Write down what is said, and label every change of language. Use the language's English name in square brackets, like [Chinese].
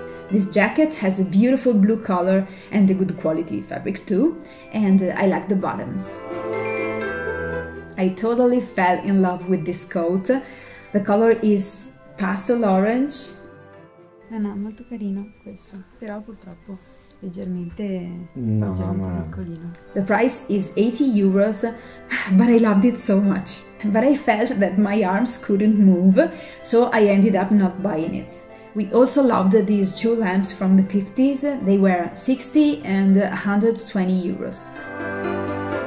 [English] This jacket has a beautiful blue color and a good quality fabric too, and I like the buttons. I totally fell in love with this coat. The color is pastel orange. [Italian] No, no, molto carino questo, però purtroppo leggermente piccolino. [English] The price is 80 euros, but I loved it so much. But I felt that my arms couldn't move, so I ended up not buying it. We also loved these two lamps from the 50s. They were 60 and 120 euros.